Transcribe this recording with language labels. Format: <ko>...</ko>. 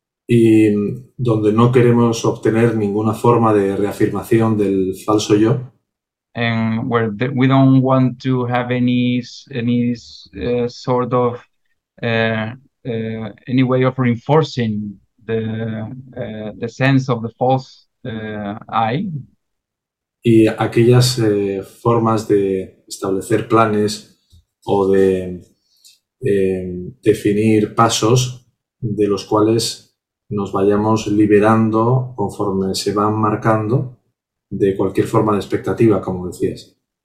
<es>Y donde no queremos obtener ninguna forma de reafirmación del falso yo.</es> <en>And where we don't want to have any way of reinforcing the sense of the false I.</en> <es>Y aquellas formas de establecer planes o de definir pasos de los cuales nos vayamos liberando conforme se van marcando de cualquier forma de expectativa, como decías.</es>